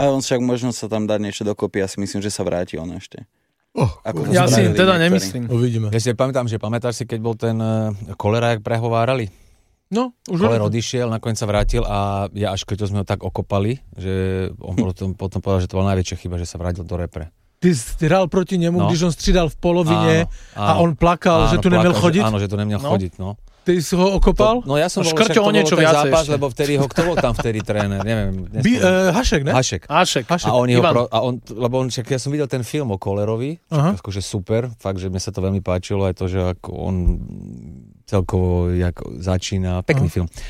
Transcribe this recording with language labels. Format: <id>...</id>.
<sk>A on však možno sa tam dá niečo dokopy, ja si myslím, že sa vráti on ešte. Ja si teda nemyslím. Uvidíme. Ja si pamätám, že pamätáš si, keď bol ten Kolera, jak prehovárali? No, už len. Koler odišiel, nakoniec sa vrátil a ja až keď sme ho tak okopali, že on potom povedal, že to bola najväčšia chyba, že sa vrátil do repre.</sk> <cs>Ty hral proti nemu, no, když on střídal v polovině, áno, a on plakal, áno, že tu plakal, neměl chodit? Áno, že tu neměl chodit, no.</cs> <sk>Ty si ho okopal? To, no ja som škrťo bol, však niečo bol ten zápas, ešte, lebo vtedy ho, kto bol tam vtedy tréner, neviem. Hašek, ne? Hašek. A on, však ja som videl ten film o Kolerovi, však, akože super, fakt, že mi sa to veľmi páčilo, aj to, že ako on celkovo ako začína, pekný film.</sk>